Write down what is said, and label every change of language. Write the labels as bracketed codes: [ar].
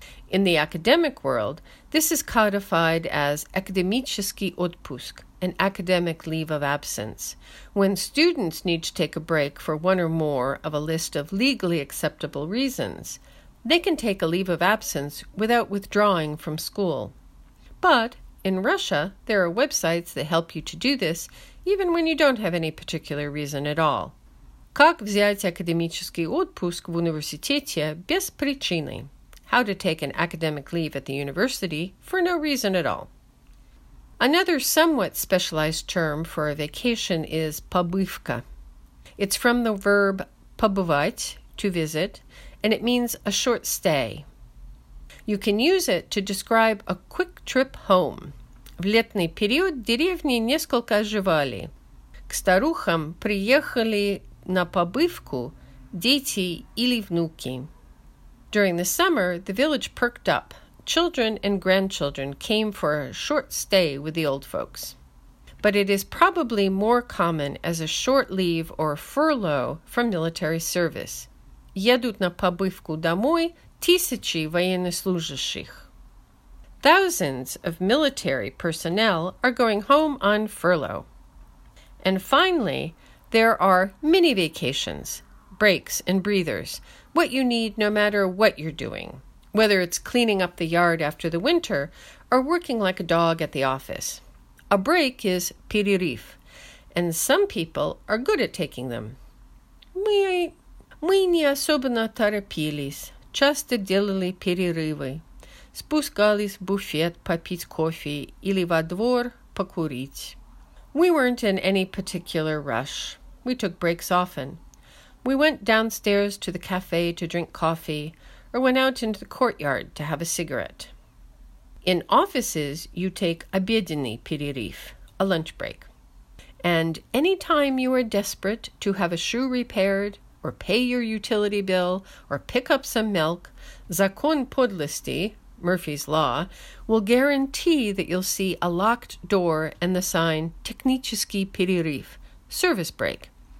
[en] In the academic world, this is codified as академический отпуск, an academic leave of absence, when students need to take a break for one or more of a list of legally acceptable reasons. They can take a leave of absence without withdrawing from school. But in Russia, there are websites that help you to do this even when you don't have any particular reason at all. [ru] Как взять академический отпуск в университете без причины? [en] How to take an academic leave at the university for no reason at all. Another somewhat specialized term for a vacation is побывка. It's from the verb побывать, to visit, and it means a short stay. You can use it to describe a quick trip home. [ru] В летний период деревни несколько оживали. К старухам приехали на побывку дети или внуки. [en] During the summer, the village perked up. Children and grandchildren came for a short stay with the old folks. But it is probably more common as a short leave or furlough from military service. [ru] Едут на побывку домой тысячи военнослужащих. [en] Thousands of military personnel are going home on furlough. And finally, there are mini vacations, breaks and breathers, what you need no matter what you're doing, whether it's cleaning up the yard after the winter or working like a dog at the office. A break is перерыв, and some people are good at taking them. [ru] Мы не особенно торопились, часто делали перерывы. Спускались в буфет попить кофе или во двор покурить. [en] We weren't in any particular rush. We took breaks often. We went downstairs to the cafe to drink coffee or went out into the courtyard to have a cigarette. In offices, you take обеденный перерыв, a lunch break. And any time you are desperate to have a shoe repaired or pay your utility bill or pick up some milk, закон подлости, Murphy's Law, will guarantee that you'll see a locked door and the sign Технический перерыв, service break.